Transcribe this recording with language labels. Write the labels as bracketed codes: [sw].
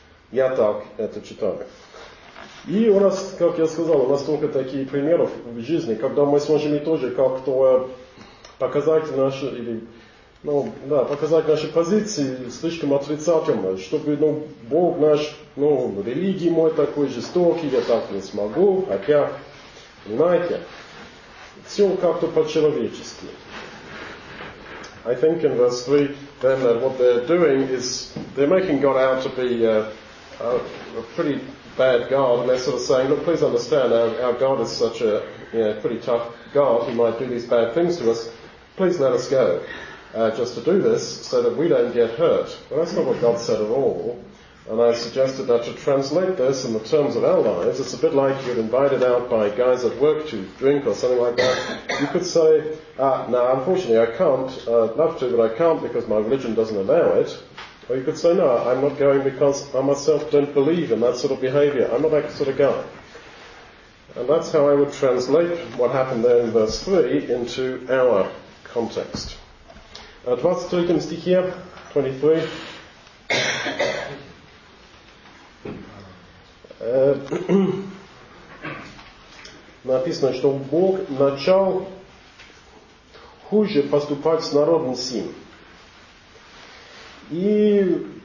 [ru] Я так это читаю. И у нас, как я сказал, у нас только такие примеры в жизни, когда мы сможем и тоже как-то показать наши, или... Ну, да, показать наши позиции слишком отрицательно, чтобы, ну, Бог наш, ну, религии мой такой жестокий, я так не смогу, хотя, понимаете, все как-то по-человечески. [en] I think in verse 3, then, that what they're doing is, they're making God out to be a pretty bad God, and they're sort of saying, look, please understand, our God is such a, you know, pretty tough God, he might do these bad things to us, please let us go. Just to do this, so that we don't get hurt. Well, that's not what God said at all. And I suggested that to translate this in the terms of our lives, it's a bit like you're invited out by guys at work to drink or something like that. You could say, no, unfortunately I can't. I'd love to, but I can't because my religion doesn't allow it. Or you could say, no, I'm not going because I myself don't believe in that sort of behavior. I'm not that sort of guy. And that's how I would translate what happened there in verse 3 into our context. [ru] 23 стихе, 23, написано, что Бог начал хуже поступать с народом сим. И